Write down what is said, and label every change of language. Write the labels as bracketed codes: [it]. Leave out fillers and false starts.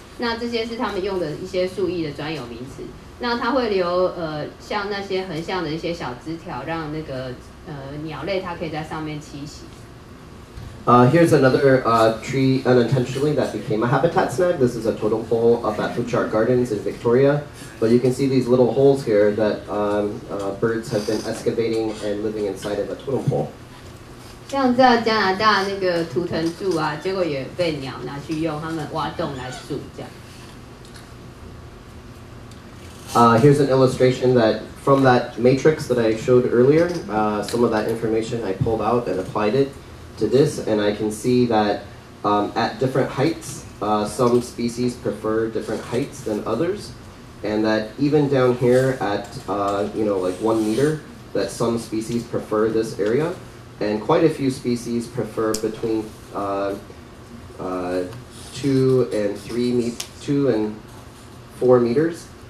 [zh] 那这些是他们用的一些树艺的专有名词。那它会留像那些横向的一些小枝条，让那个鸟类它可以在上面栖息。 [en] Here's another tree unintentionally that became a habitat snag. This is a totem pole up at Pritchard Gardens in Victoria. But you can see these little holes here that birds have been excavating and living inside of a totem pole. [zh] 像在加拿大那个图腾树啊，结果也被鸟拿去用，他们挖洞来住这样。 [en] Here's an illustration that from that matrix that I showed earlier, some of that information I pulled out and applied it to this, and I can see that at different heights, some species prefer different heights than others, and that even down here at, you know, like 1 meter, that some species prefer this area, and quite a few species prefer between 2 and 4 meters.